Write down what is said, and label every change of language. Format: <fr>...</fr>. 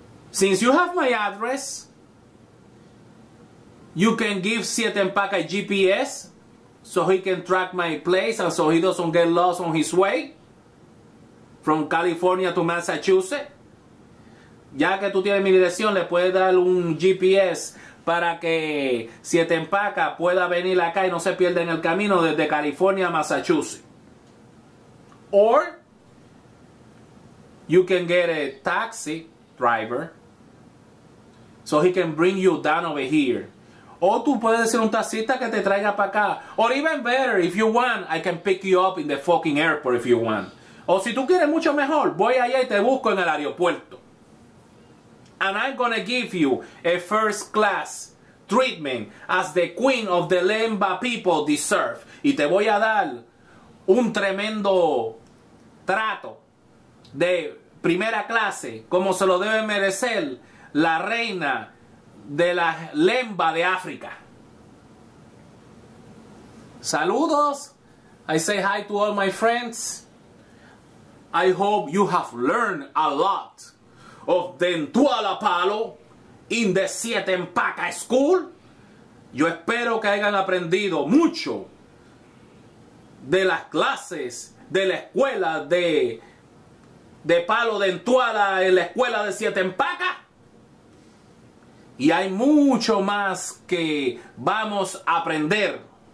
<en>Since you have my address, you can give 7 Empaca a GPS so he can track my place and so he doesn't get lost on his way from California to Massachusetts.</en> <es>Ya que tú tienes mi dirección, le puedes dar un GPS para que 7 Empaca pueda venir acá y no se pierda en el camino desde California a Massachusetts.</es> <en>Or, you can get a taxi driver so he can bring you down over here.</en> <es>O tú puedes ser un taxista que te traiga para acá.</es> <en>Or even better, if you want, I can pick you up in the fucking airport if you want.</en> <es>O si tú quieres mucho mejor, voy allá y te busco en el aeropuerto.</es> <en>And I'm gonna give you a first class treatment as the queen of the Lemba people deserve.</en> <es>Y te voy a dar un tremendo trato de primera clase, como se lo debe merecer la reina de la Lemba de África. Saludos.</es> <en>I say hi to all my friends. I hope you have learned a lot of Dentuala Palo in the 7 Empaca School.</en> <es>Yo espero que hayan aprendido mucho de las clases de la escuela de Palo Dentuala en la escuela de 7 Empaca. Y hay mucho más que vamos a aprender.</es>